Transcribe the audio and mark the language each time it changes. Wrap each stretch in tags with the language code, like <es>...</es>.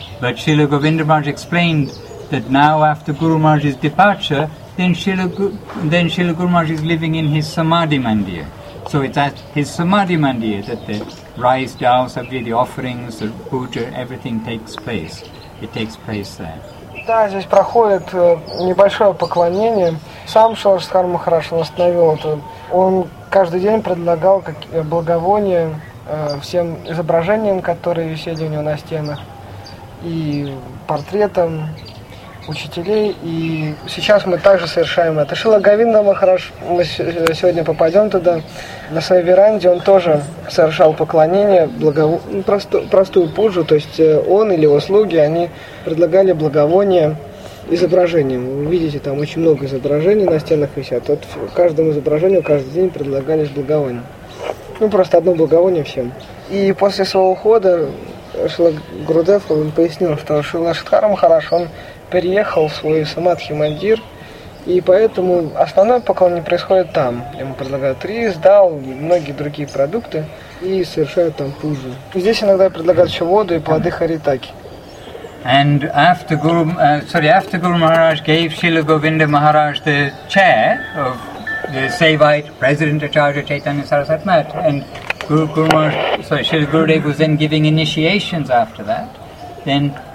<en>But Srila Govinda Maharaj explained that now after Guru Maharaj's departure, then Srila Guru Maharaj is living in his Samadhi Mandir. So it's at his Samadhi Mandir that the rice, dal, sabji, the offerings, the puja, everything takes place. It takes place there.</en> <ru>Да, здесь проходит небольшое поклонение. Сам Шрила Шридхара Махарадж восстановил это. Он каждый день предлагал благовония всем изображениям, которые висели у него на стенах, и портретам учителей. И сейчас мы также совершаем это. Шрила Говинда Махарадж, мы сегодня попадем туда, на своей веранде он тоже совершал поклонение, простую пуджу, то есть он или его слуги, они предлагали благовония изображением. Вы видите, там очень много изображений на стенах висят. Вот каждому изображению каждый день предлагались благовония. Ну, просто одно благовоние всем. И после своего ухода Шрила Гурудева, он пояснил, что Шрила Шридхара Махарадж, он переехал в свой самадхи мандир, и поэтому основное поклонение происходит там. Ему предлагают рис, дал, многие другие продукты, и совершают там пузу. Здесь иногда предлагают еще воду и плоды харитаки.</ru> <en>And after Guru, after Guru Maharaj gave Srila Govinda Maharaj the chair of the Saivite President Acharya Chaitanya Sarasvati Math, and Srila Gurudev was then giving initiations after that, then</en>